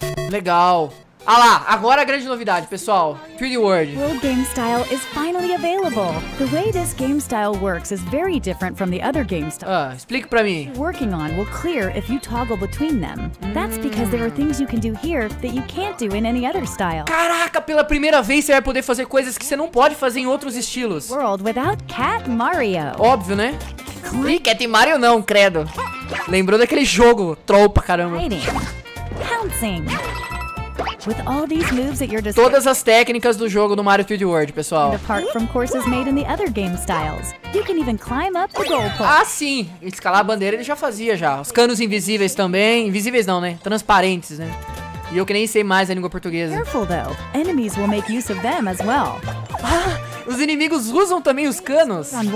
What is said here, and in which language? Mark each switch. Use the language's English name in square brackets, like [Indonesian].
[Portuguese] Legal. Ah lá, agora a grande novidade, pessoal. [English] 3D World. World Game Style is finally available. The way this game style works is very different from the other game style. [Portuguese] Explica pra mim. [English] Working on will clear if you toggle between them. That's because there are things you can do here that you can't do in any other style. [Portuguese] Caraca, pela primeira vez você vai poder fazer coisas que você não pode fazer em outros estilos. [English] World without Cat Mario. [Portuguese] Óbvio, né? Ih, Cat Mario não, credo. Lembrou daquele jogo, troll pra caramba. [English] Fighting. Pouncing. With all these moves at your disposal. [Portuguese] Todas as técnicas do jogo do Mario 3D World, pessoal. [English] Apart from courses made in the other game styles, you can even climb up the goalpost. [Portuguese] Ah, sim, escalar a bandeira ele já fazia já. Os canos invisíveis também, invisíveis não, né? Transparentes, né? E eu que nem sei mais a língua portuguesa. [English] Careful though, enemies will make use of them as well. [Portuguese] Os inimigos usam também os canos.